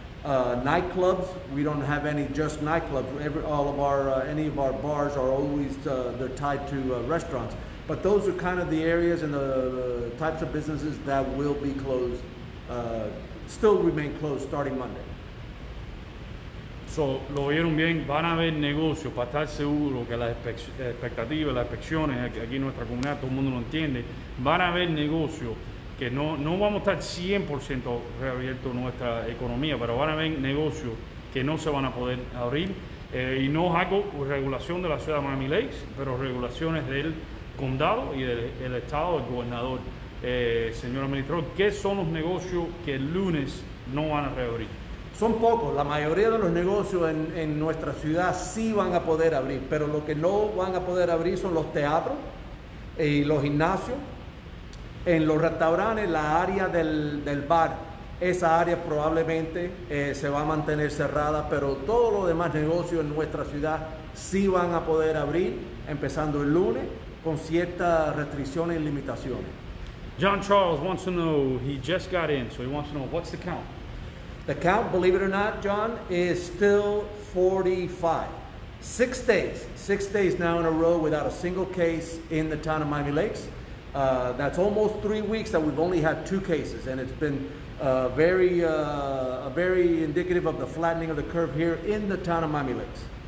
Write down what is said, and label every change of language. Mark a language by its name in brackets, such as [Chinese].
[English] Nightclubs, we don't have any just nightclubs. Any of our bars are always, they're tied to restaurants. But those are kind of the areas and the types of businesses that will be closed, still remain closed starting Monday. [Spanish] So, lo vieron bien, van a haber negocios, para estar seguro que las expectativas, las inspecciones aquí en nuestra comunidad, todo el mundo lo entiende, van a haber negocios. Que no vamos a estar 100% reabierto nuestra economía, pero van a haber negocios que no se van a poder abrir. Y no hago regulación de la ciudad de Miami Lakes, pero regulaciones del condado y del estado, del gobernador. Señor administrador, ¿qué son los negocios que el lunes no van a reabrir? Son pocos. La mayoría de los negocios en nuestra ciudad sí van a poder abrir, pero lo que no van a poder abrir son los teatros y los gimnasios. En los restaurantes, la área del bar, esa área probablemente se va a mantener cerrada, pero todos los demás negocios en nuestra ciudad sí van a poder abrir, empezando el lunes, con ciertas restricciones y limitaciones. [English] John Charles wants to know, he just got in, so he wants to know, what's the count? The count, believe it or not, John, is still 45. 6 days now in a row without a single case in the town of Miami Lakes. That's almost 3 weeks that we've only had 2 cases, and it's been very indicative of the flattening of the curve here in the town of Miami Lakes.